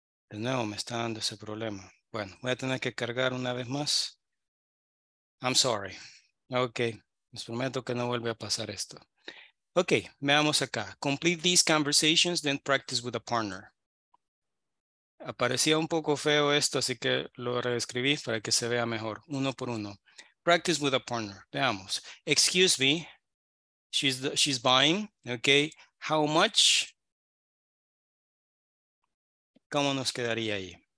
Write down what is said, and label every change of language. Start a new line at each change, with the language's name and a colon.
Spanish: De nuevo me está dando ese problema. Bueno, voy a tener que cargar una vez más.
English: I'm sorry.
Spanish: Ok, les prometo que no vuelve a pasar esto. Ok, veamos acá.
English: Complete these conversations, then practice with a partner.
Spanish: Aparecía un poco feo esto, así que lo reescribí para que se vea mejor. Uno por uno.
English: Practice with a partner.
Spanish: Veamos.
English: Excuse me. She's buying. Okay. How much?
Spanish: ¿Cómo nos quedaría ahí?